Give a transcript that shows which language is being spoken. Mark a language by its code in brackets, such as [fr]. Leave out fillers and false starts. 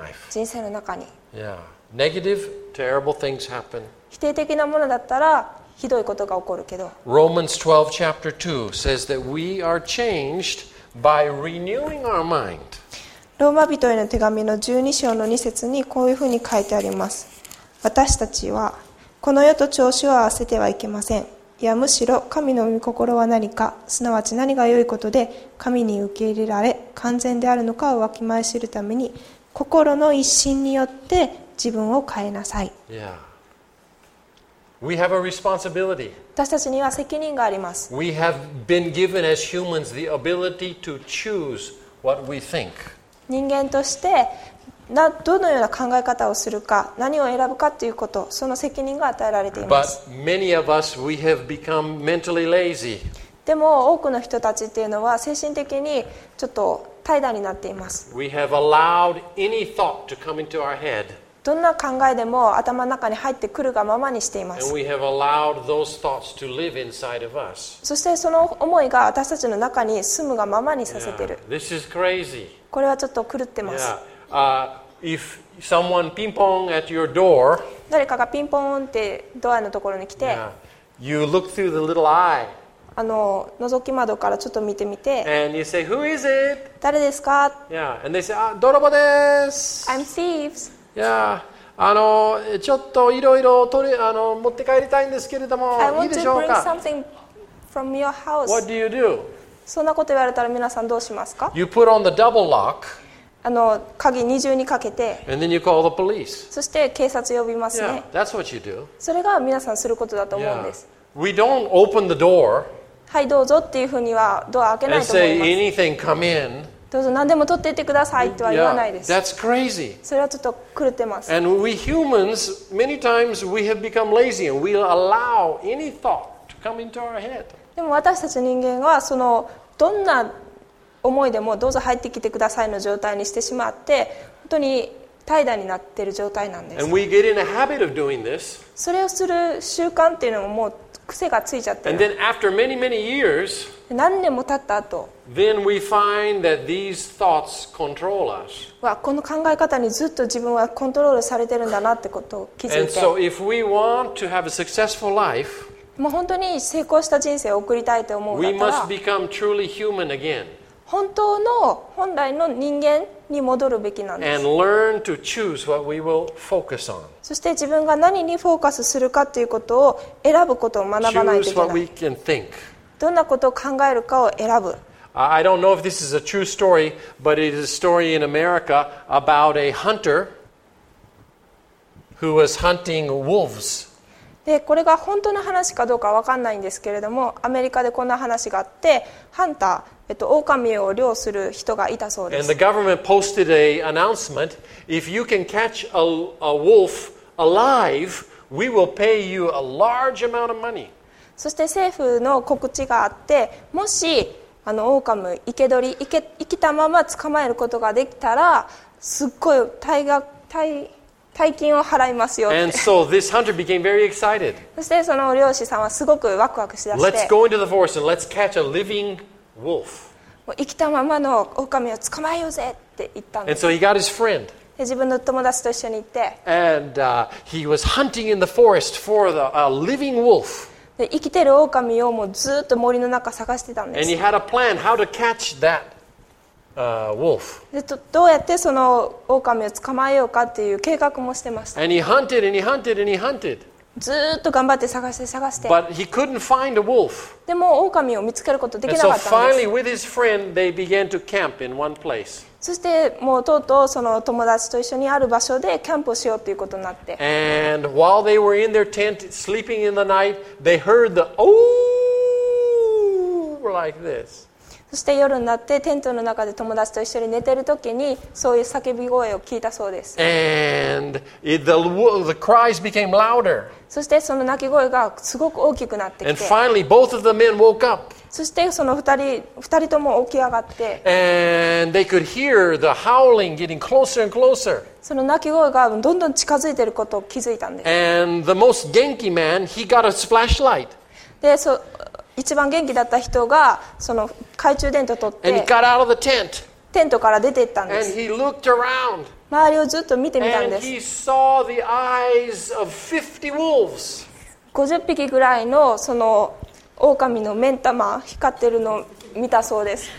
[ja] 人生の中に。 [en] Negative, terrible things happen. [ja] 否定的なものだったらひどいことが起こるけど。 [en] Romans 12 chapter 2 says that we are changed by renewing our mind. [ja] ローマ人への手紙の12章の2節にこういうふうに書いてあります。私たちはこの世と調子を合わせてはいけません。いやむしろ神の御心は何か、すなわち何が良いことで神に受け入れられ完全であるのかをわきまえ知るために、心の一心によって自分を変えなさい。 [en] Yeah. We have a responsibility. [ja] 私たちには責任があります。 [en] We have been given as humans the ability to choose what we think. [ja] 人間としてどのような考え方をするか、何を選ぶかということ、その責任が与えられています。 [en] But many of us, we have become mentally lazy. [ja] でも多くの人たちっていうのは精神的にちょっと怠惰になっています。 [en] We have allowed any thought to come into our head. [ja] どんな考えでも頭の中に入ってくるがままにしています。 [en] And we have allowed those thoughts to live inside of us. [ja] そしてその思いが私たちの中に住むがままにさせている。 [en] Yeah. This is crazy. [ja] これはちょっと狂ってます。 [en] Yeah. If someone ping pong at your door, [ja] 誰かがピンポンってドアのところに来て、 [en] yeah, you look through the little eye, [ja] あの覗き窓からちょっと見てみて、 [en] and you say, who is it? [ja] 誰ですか、 [en] yeah, and they say, ah, [ja] 泥棒です。 [en] I'm thieves. [ja] Yeah, あのちょっといろいろ取りあの持って帰りたいんですけれども、いいでしょうか。 [en] I want to bring something from your house. What do you do? [ja] そんなこと言われたら皆さんどうしますか。 [en] You put on the double lock. [ja] あの鍵二重にかけて、そして警察呼びますね。 [en] Yeah, that's what you do. [ja] それが皆さんすることだと思うんです。 [en] Yeah. We don't open the door. [ja] はいどうぞっていうふうにはドア開けないと思います。 [en] And say anything, come in. [ja] どうぞ何でも取っていってくださいとは言わないです。 [en] Yeah, that's crazy. [ja] それはちょっと狂ってます。 [en] And we humans, many times we have become lazy and we allow any thought to come into our head. [ja] でも私たち人間はそのどんな思いでもどうぞ入ってきてくださいの状態にしてしまって、本当に怠惰になっている状態なんです。 [en] And we get in a habit of doing this. [ja] それをする習慣っていうのももう癖がついちゃってる。 [en] And then after many, many years, [ja] 何年も経った後、 [en] then we find that these thoughts control us. [ja] この考え方にずっと自分はコントロールされてるんだなってことを気づいて、 [en] And so if we want to have a successful life, [ja] もう本当に成功した人生を送りたいと思うんだったら、 [en] we must become truly human again. [ja] 本当の本来の人間に戻るべきなんです。そして自分が何にフォーカスするかということを選ぶことを学ばないといけない。どんなことを考えるかを選ぶ。 [en] I don't know if this is a true story, but it is a story in America about a hunter who was hunting wolves. [ja] でこれが本当の話かどうか分かんないんですけれども、アメリカでこんな話があって、ハンター、狼を猟する人がいたそうです。 [en] And the government posted an announcement, if you can catch a wolf alive, we will pay you a large amount of money. [ja] そして政府の告知があって、もしあの狼生け捕り生きたまま捕まえることができたら、すっごい大金を払いますよって。 [en] And so this hunter became very excited. [ja] そしてその猟師さんはすごくワクワクしだして、 [en] Let's go into the forest and let's catch a living wolf. [ja] 生きたままの狼を捕まえようぜって言ったんです。 [en] And so he got his friend. [ja] 自分の友達と一緒に行って、 [en] And he was hunting in the forest for the living wolf. [ja] 生きてる狼をもうずっと森の中探してたんです。 [en] And he had a plan how to catch thatwolf. [ja] どうやってその狼を捕まえようかっていう計画もしてました。 [en] And he hunted and he hunted and he hunted. [ja] ずっと頑張って探して探して。 [en] But he couldn't find a wolf. [ja] でも狼を見つけることできなかったんです。 [en] And so finally with his friend they began to camp in one place. [ja] そしてもうとうとうその友達と一緒にある場所でキャンプをしようということになって。 [en] And while they were in their tent sleeping in the night, they heard the oh like this. [ja] そして夜になってテントの中で友達と一緒に寝てる時にそういう叫び声を聞いたそうです。 [en] And the cries became louder. [ja] そしてその泣き声がすごく大きくなってきて。 [en] And finally, both of the men woke up. [ja] そしてその二人とも起き上がって。 [en] And they could hear the howling getting closer and closer. [ja] その泣き声がどんどん近づいてることを気づいたんです。 [en] And the most 元気 man, he got a flashlight. [ja] で、一番元気だった人がその懐中電灯を取ってテントから出て行ったんです。 [en] And he looked around. [ja] 周りをずっと見てみたんです。 [en] And he saw the eyes of 50 wolves. [ja] 50匹ぐらいのその狼の目ん玉光ってるのを見たそうです。